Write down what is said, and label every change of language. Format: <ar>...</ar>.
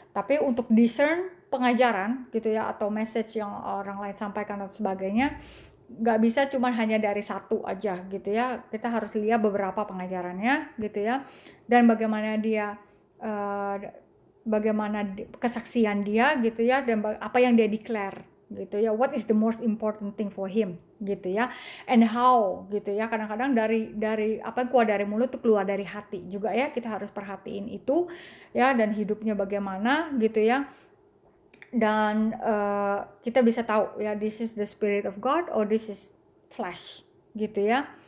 <id>Tapi untuk discern pengajaran gitu ya, atau message yang orang lain sampaikan dan sebagainya, gak bisa cuma hanya dari satu aja gitu ya. Kita harus lihat beberapa pengajarannya gitu ya. Dan bagaimana dia, bagaimana kesaksian dia gitu ya. Dan apa yang dia declare gitu ya.</id> <en>What is the most important thing for him gitu ya. And how gitu ya.</en> <id>Kadang-kadang dari apa yang keluar dari mulut itu keluar dari hati juga ya. Kita harus perhatiin itu ya. Dan hidupnya bagaimana gitu ya. Dan kita bisa tahu ya,</id> <en>this is the Spirit of God or this is flesh gitu ya.</en>